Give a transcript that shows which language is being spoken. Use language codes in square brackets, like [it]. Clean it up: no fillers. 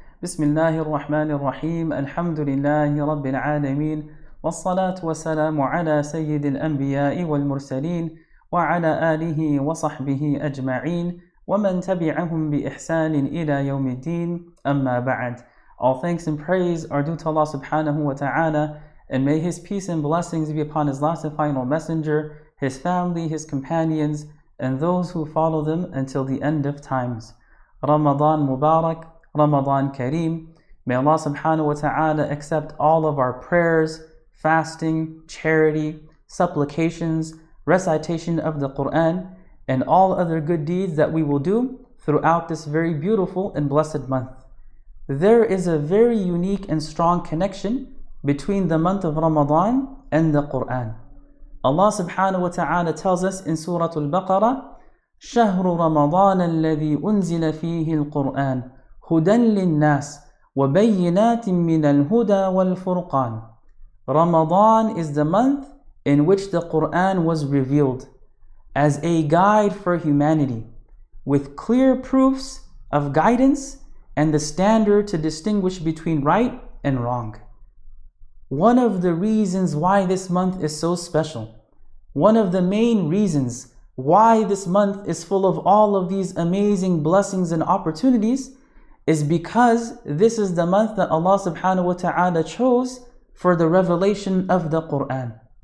[ar] بسم الله الرحمن الرحيم، الحمد لله رب العالمين، والصلاة والسلام على سيد الأنبياء والمرسلين وعلى آله وصحبه أجمعين ومن تبعهم بإحسان إلى يوم الدين، أما بعد. [en] All thanks and praise are due to Allah subhanahu wa ta'ala, and may His peace and blessings be upon His last and final messenger, His family, His companions, and those who follow them until the end of times. Ramadan Mubarak, Ramadan Kareem. May Allah subhanahu wa ta'ala accept all of our prayers, fasting, charity, supplications, recitation of the Quran, and all other good deeds that we will do throughout this very beautiful and blessed month. There is a very unique and strong connection between the month of Ramadan and the Quran. Allah subhanahu wa ta'ala tells us in Surah Al-Baqarah, [ar] شَهْرُ رَمَضَانَ الَّذِي أُنزِلَ فِيهِ الْقُرْآنِ هُدًى لِلنَّاسِ وَبَيِّنَاتٍ مِّنَ الْهُدَى وَالْفُرْقَانِ. [en] Ramadan is the month in which the Quran was revealed as a guide for humanity, with clear proofs of guidance and the standard to distinguish between right and wrong. One of the reasons why this month is so special, one of the main reasons why this month is full of all of these amazing blessings and opportunities, is because this is the month that Allah subhanahu wa ta'ala chose for the revelation of the Qur'an.